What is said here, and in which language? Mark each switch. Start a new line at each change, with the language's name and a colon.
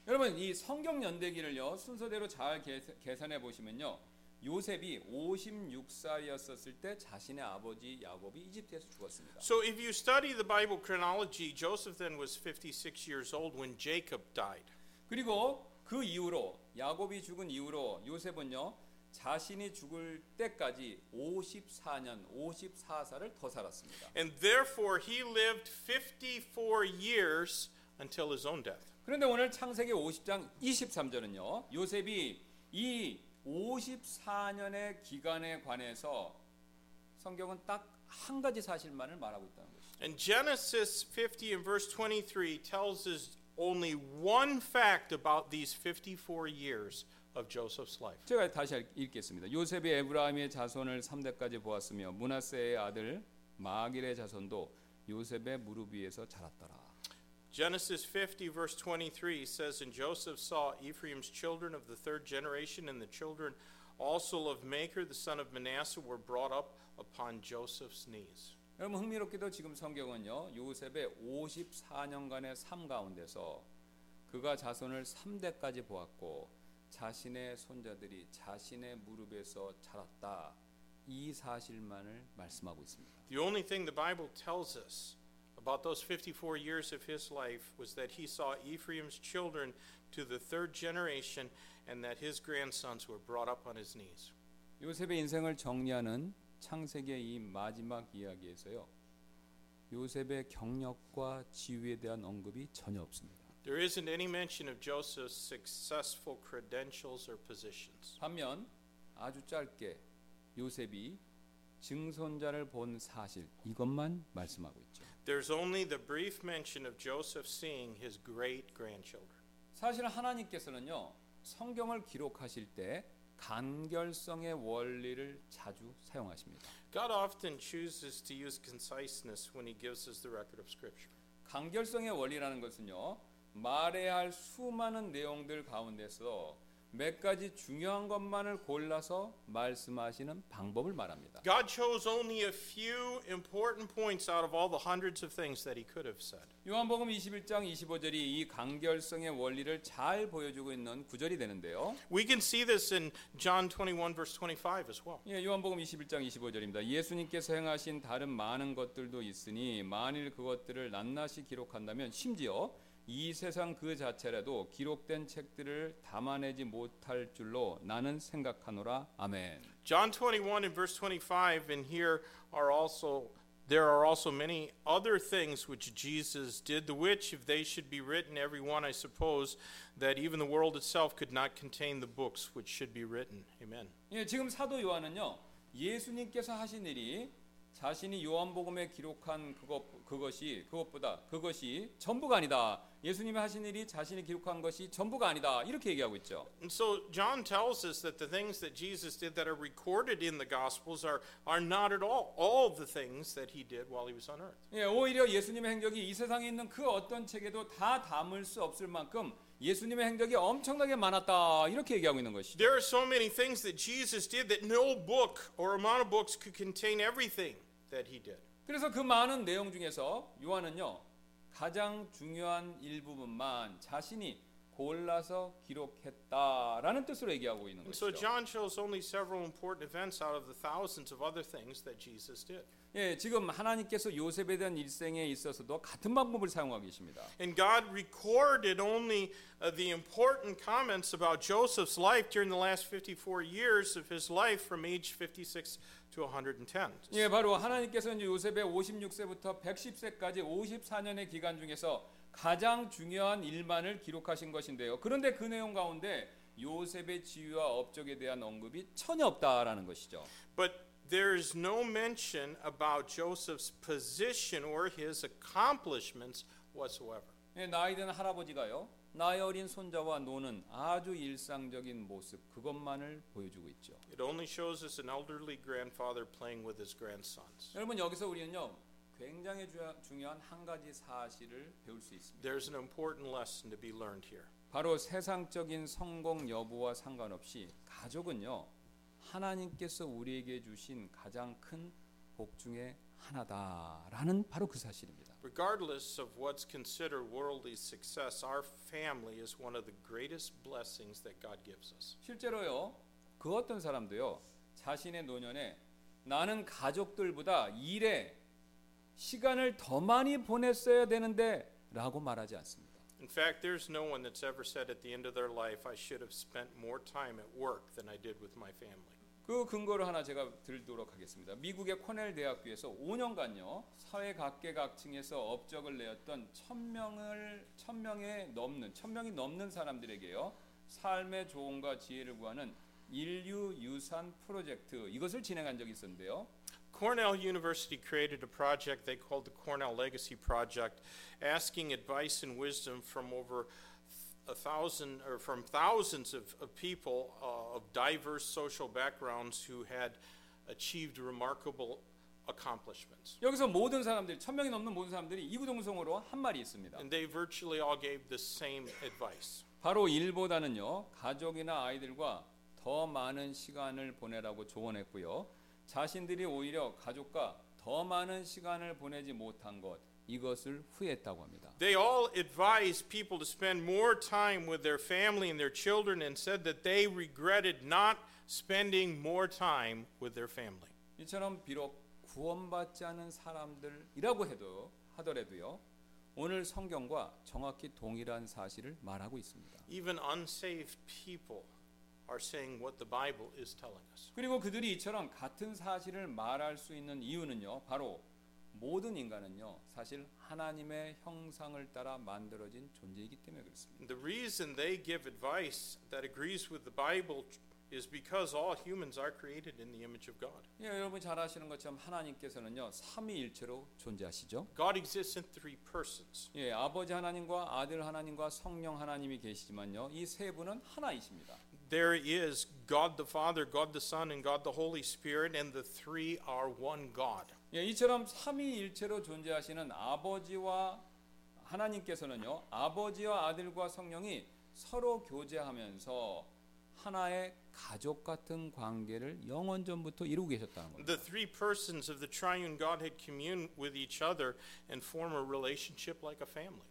Korean: 여러분 이 성경 연대기를요 순서대로 잘 계산해 보시면요, 요셉이 56살이었을 때 자신의 아버지 야곱이 이집트에서 죽었습니다.
English: So if you study the Bible chronology, Joseph then was 56 years old when Jacob died.
Korean: 그리고 그 이후로 야곱이 죽은 이후로 요셉은요 자신이 죽을 때까지 54년, 54살을 더 살았습니다.
English: And therefore he lived 54 years until his own death.
Korean: 그런데 오늘 창세기 50장 23절은요, 요셉이 이 54년의 기간에 관해서 성경은 딱 한 가지 사실만을 말하고 있다는 것입니다.
English: And Genesis 50 and verse 23 tells us only one fact about these 54 years. Of Joseph's life.
Korean: 제가 다시 읽겠습니다. 요셉이 에브라임의 자손을 3대까지 보았으며 므낫세의 아들 마길의 자손도 요셉의 무릎 위에서 자랐더라.
English: Genesis 50 verse 23 says, and Joseph saw Ephraim's children of the third generation, and the children also of Machir the son of Manasseh were brought up upon Joseph's knees.
Korean: 여러분 흥미롭게도 지금 성경은요 요셉의 54년간의 삶 가운데서 그가 자손을 3대까지 보았고 자신의 손자들이 자신의 무릎에서 자랐다. 이 사실만을 말씀하고 있습니다.
English: The only thing the Bible tells us about those 54 years of his life was that he saw Ephraim's children to the third generation and that his grandsons were brought up on his knees.
Korean: 요셉의 인생을 정리하는 창세기의 이 마지막 이야기에서요. 요셉의 경력과 지위에 대한 언급이 전혀 없습니다.
English: There isn't any mention of Joseph's successful credentials or positions.
Korean: 반면 아주 짧게 요셉이 증손자를 본 사실 이것만 말씀하고 있죠.
English: There's only the brief mention of Joseph seeing his great grandchildren.
Korean: 사실 하나님께서는요, 성경을 기록하실 때 간결성의 원리를 자주 사용하십니다.
English: God often chooses to use conciseness when he gives us the record of scripture.
Korean: 간결성의 원리라는 것은요, 말해야 할 수많은 내용들 가운데서 몇 가지 중요한 것만을 골라서 말씀하시는 방법을 말합니다.
English: God chose only a few important points out of all the hundreds of things that he could have said.
Korean: 요한복음 21장 25절이 이 간결성의 원리를 잘 보여주고 있는 구절이 되는데요.
English: We can see this in John 21 verse 25 as well.
Korean: 예, 요한복음 21장 25절입니다. 예수님께서 행하신 다른 많은 것들도 있으니 만일 그것들을 낱낱이 기록한다면 심지어 이 세상 그 자체라도 기록된 책들을 담아내지 못할 줄로 나는 생각하노라. 아멘.
English: John 21 and verse 25 and here are also there are also many other things which Jesus did the which if they should be written every one I suppose that even the world itself could not contain the books which should be written. Amen.
Korean: 예, 지금 사도 요한은요. 예수님께서 하신 일이 자신이 요한복음에 기록한 그것이 전부가 아니다. 예수님이 하신 일이 자신이 기록한 것이 전부가 아니다. 이렇게 얘기하고 있죠.
English: And so John tells us that the things that Jesus did that are recorded in the Gospels are not at all the things that he did while he was on earth.
Korean: 예, 오히려 예수님의 행적이 이 세상에 있는 그 어떤 책에도 다 담을 수 없을 만큼 예수님의 행적이 엄청나게 많았다. 이렇게 얘기하고 있는 것이죠.
English: There are so many things that Jesus did that no book or amount of books could contain everything that he did.
Korean: 그래서 그 많은 내용 중에서 요한은요. 가장 중요한 일부분만 자신이 골라서 기록했다라는 뜻으로 얘기하고 있는 것이죠.
English: So John chose only several important events out of the thousands of other things that Jesus did.
Korean: 예, 지금 하나님께서 요셉에 대한 일생에 있어서도 같은 방법을 사용하고 계십니다.
English: And God recorded only the important comments about Joseph's life during the last 54 years of his life from age 56 to 110.
Korean: 예, 바로 하나님께서는 요셉의 56세부터 110세까지 54년의 기간 중에서 가장 중요한 일만을 기록하신 것인데요. 그런데 그 내용 가운데 요셉의 지위와 업적에 대한 언급이 전혀 없다라는 것이죠.
English: But there is no mention about Joseph's position or his accomplishments whatsoever.
Korean: 예, 나이든 할아버지가요. 나의 어린 손자와 노는 아주 일상적인 모습 그것만을 보여주고 있죠.
English: It only shows us an elderly grandfather playing with his grandsons.
Korean: 여러분 여기서 우리는요. 굉장히 중요한 한 가지 사실을 배울 수 있습니다.
English: There's an important lesson to be learned here.
Korean: 바로 세상적인 성공 여부와 상관없이 가족은요. 하나님께서 우리에게 주신 가장 큰 복 중에 하나다라는 바로 그 사실입니다.
English: Regardless of what's considered worldly success, our family is one of the greatest blessings that God gives us.
Korean: 실제로요. 그 어떤 사람도요. 자신의 노년에 나는 가족들보다 일에 시간을 더 많이 보냈어야 되는데 라고 말하지 않습니다.
English: In fact, there's no one that's ever said at the end of their life I should have spent more time at work than I did with my family.
Korean: 그 근거를 하나 제가 드리도록 하겠습니다. 미국의 코넬 대학교에서 5년간요. 사회 각계각층에서 업적을 내었던 1000명이 넘는 사람들에게요. 삶의 조언과 지혜를 구하는 인류 유산 프로젝트 이것을 진행한 적이 있었는데요.
English: Cornell University created a project they called the Cornell Legacy Project, asking advice and wisdom from over thousands of people of diverse social backgrounds who had achieved remarkable accomplishments.
Korean: 여기서 모든 사람들이 천 명이 넘는 모든 사람들이 이구동성으로 한 말이 있습니다.
English: And they virtually all gave the same advice.
Korean: 바로 일보다는요 가족이나 아이들과 더 많은 시간을 보내라고 조언했고요. 자신들이 오히려 가족과 더 많은 시간을 보내지 못한 것 이것을 후회했다고 합니다.
English: They all advised people to spend more time with their family and their children and said that they regretted not spending more time with their family.
Korean: 이처럼 비록 구원받지 않은 사람들이라고 해도 하더라도요. 오늘 성경과 정확히 동일한 사실을 말하고 있습니다.
English: Even unsaved people are saying what the Bible is telling us.
Korean: 그리고 그들이 이처럼 같은 사실을 말할 수 있는 이유는요. 바로 모든 인간은요. 사실 하나님의 형상을 따라 만들어진 존재이기 때문에 그렇습니다.
English: The reason they give advice that agrees with the Bible is because all humans are created in the image of God.
Korean: 예, 여러분 잘 아시는 것처럼 하나님께서는요. 삼위일체로 존재하시죠.
English: God exists in three persons.
Korean: 예, 아버지 하나님과 아들 하나님과 성령 하나님이 계시지만요. 이 세 분은 하나이십니다.
English: There is God the Father, God the Son and God the Holy Spirit and the three are one God.
Korean: 예, 이처럼 삼위일체로 존재하시는 아버지와 하나님께서는요. 아버지와 아들과 성령이 서로 교제하면서 하나의 가족 같은 관계를 영원 전부터 이루고 계셨다는 겁니다.
English: The three persons of the triune Godhead commune with each other and form a relationship like a family.